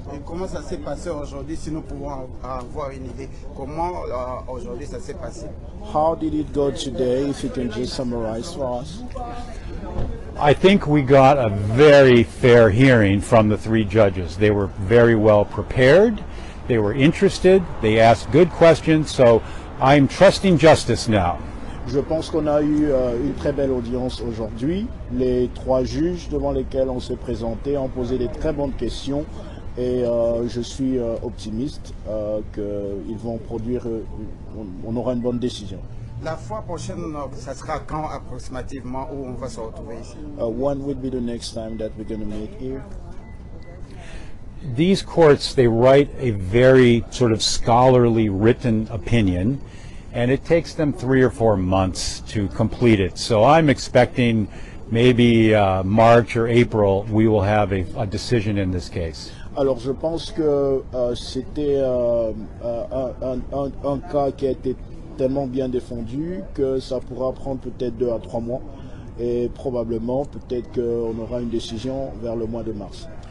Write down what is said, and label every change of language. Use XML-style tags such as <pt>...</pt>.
<fr>Et comment ça s'est passé aujourd'hui, si nous pouvons avoir une idée, comment aujourd'hui ça s'est passé?</fr> <en>How did it go today, if you can just summarize for us? I think we got a very fair hearing from the three judges. They were very well prepared. They were interested. They asked good questions. So I'm trusting justice now.</en> <fr>Je pense qu'on a eu une très belle audience aujourd'hui. Les trois juges devant lesquels on s'est présenté ont posé des très bonnes questions et je suis optimiste qu'ils vont produire, on aura une bonne décision. La fois prochaine, ça sera quand approximativement où on va se retrouver ici?</fr> <en>When would be the next time that we're going to meet here? These courts, they write a very sort of scholarly written opinion. And it takes them 3 or 4 months to complete it. So I'm expecting maybe March or April we will have a decision in this case.</en> <fr>Alors je pense que c'était un cas qui a été tellement bien défendu que ça pourra prendre peut-être 2 à 3 mois et probablement peut-être qu'on aura une décision vers le mois de mars.</fr>